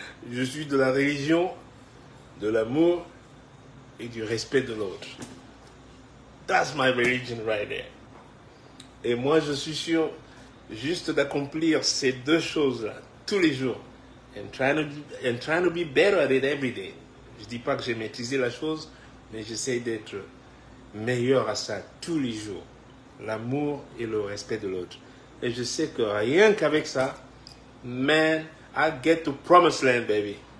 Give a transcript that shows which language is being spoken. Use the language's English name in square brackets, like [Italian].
[French] Je suis de la religion de l'amour et du respect de l'autre. [English] That's my religion right there. [French] Et moi, je suis sûr juste d'accomplir ces deux choses-là tous les jours. [English] I'm trying to be better at it every day. [French] Je dis pas que j'ai maîtrisé la chose, mais j'essaie d'être meilleur à ça tous les jours. L'amour et le respect de l'autre. Et je sais que rien qu'avec ça, [English] man, I get to promised land, baby.